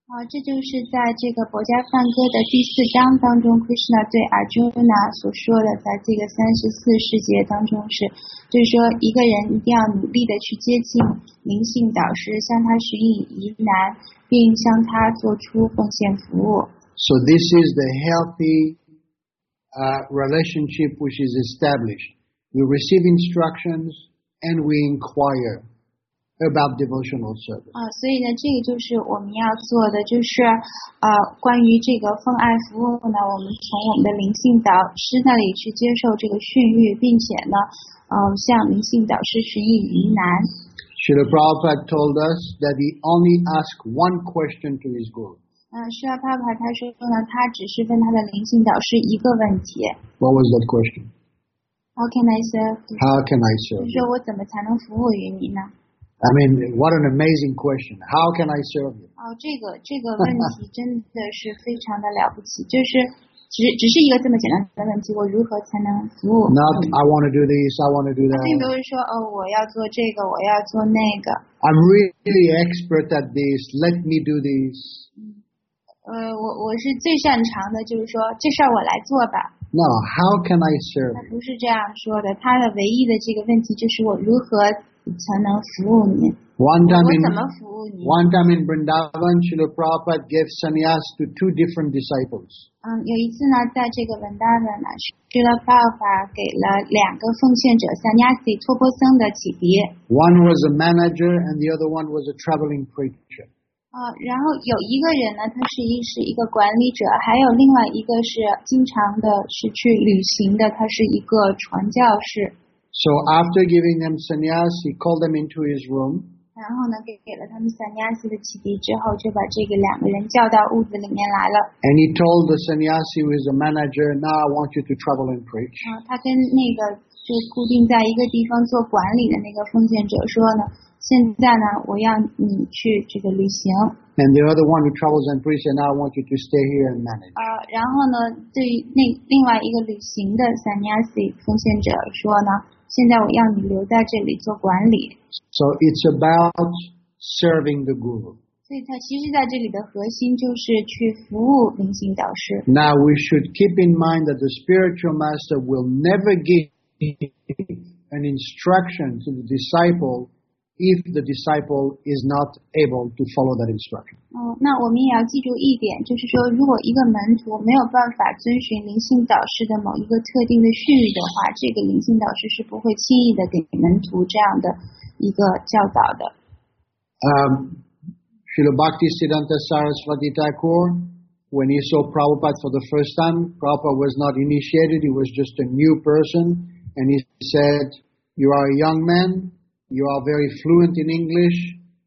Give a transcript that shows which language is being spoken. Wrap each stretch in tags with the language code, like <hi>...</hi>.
<zh>这就是在这个薄伽梵歌的第四章当中 Krishna 对 Arjuna 所说的，在这个三十四世节当中是，就是说一个人一定要努力的去接近灵性导师，向他寻以疑难，并向他做出奉献服务。</zh> <en>So this is the healthy relationship which is established. We receive instructions and we inquire. About devotional service.</en> <zh>所以呢，这个就是我们要做的，就是关于这个奉爱服务呢，我们从我们的灵性导师那里去接受这个训谕，并且呢，向灵性导师寻以疑难。</zh> <en>Srila Prabhupada told us that he only asked one question to his guru.</en> <zh>Srila Prabhupada 他说呢，他只是问他的灵性导师一个问题。</zh> <en>What was that question? How can I serve? How can I serve?</en> <zh>就是我怎么才能服务于你呢？</zh> <en>I mean, what an amazing question. How can I serve you?</en> <zh>这个问题真的是非常的了不起。就是只是一个这么简单的问题，我如何才能服务？</zh> <en>Not, I want to do this, I want to do that.</en> <zh>并不是说我要做这个，我要做那个。</zh> <en>I'm really expert at this, let me do this.</en> <zh>我是最擅长的，就是说这事儿我来做吧。</zh> <en>No, how can I serve?</en> <zh>他不是这样说的，他的唯一的这个问题就是我如何才能服务你？</zh> <en>One time in Vrindavan, Srila Prabhupada gave sannyas to two different disciples.</en> <zh>有一次呢，在这个 Vrindavan 呢， Srila Prabhupada 给了两个奉献者 sannyasi 托钵僧的启迪。</zh> <en>One was a manager, and the other one was a traveling preacher.</en> <zh>然后有一个人呢，他是一个管理者，还有另外一个是经常的是去旅行的，他是一个传教士。</zh> <en>So after giving them sannyas, he called them into his room.</en> <zh>然后呢，给了他们 sannyas 的启迪之后，就把这个两个人叫到屋子里面来了。</zh> <en>And he told the sannyas, who is a manager, now I want you to travel and preach.</en> <zh>他跟那个就固定在一个地方做管理的那个奉献者说呢，现在呢，我要你去这个旅行。</zh> <en>And the other one who travels and preaches, now I want you to stay here and manage.</en> <zh>然后呢，对那另外一个旅行的 sannyas 奉献者说呢，现在我要你留在这里做管理。</zh> <en>So it's about serving the guru.</en> <zh>所以它其实在这里的核心就是去服务灵性导师。</zh> <en>Now we should keep in mind that the spiritual master will never give an instruction to the disciple if the disciple is not able to follow that instruction.</en> <zh>那我们也要记住一点，就是说如果一个门徒没有办法遵循灵性导师的某一个特定的训谕的话，这个灵性导师是不会轻易的给门徒这样的一个教导的。</zh> <en>Srila Bhaktisiddhanta Saraswati Thakur, when he saw Prabhupada for the first time, Prabhupada was not initiated, he was just a new person, and he said, you are a young man,You are very fluent in English.</en>